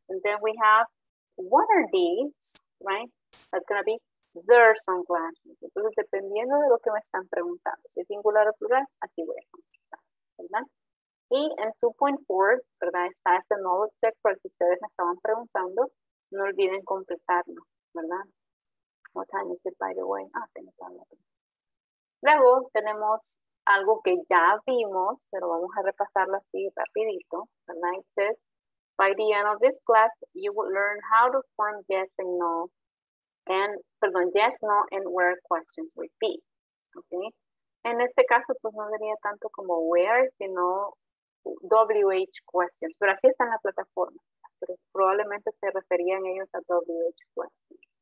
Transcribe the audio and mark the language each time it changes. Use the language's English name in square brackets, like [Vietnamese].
[English] And then we have, what are these, right? That's going to be their sunglasses. [Spanish] Entonces, dependiendo de lo que me están preguntando, si es singular o plural, aquí voy a contestar. Y en 2.4, ¿verdad? Está este knowledge check para que ustedes me estaban preguntando. No olviden completarlo, ¿verdad? What time is it, by the way? Ah, tengo que hablar. Luego tenemos algo que ya vimos, pero vamos a repasarlo así rapidito. [English] The night says, by the end of this class, you will learn how to form yes and no, and, perdón, yes, no, and where questions would be. [Spanish] Okay? En este caso, pues no sería tanto como where, sino WH questions, pero así está en la plataforma, pero probablemente se referían ellos a WH questions.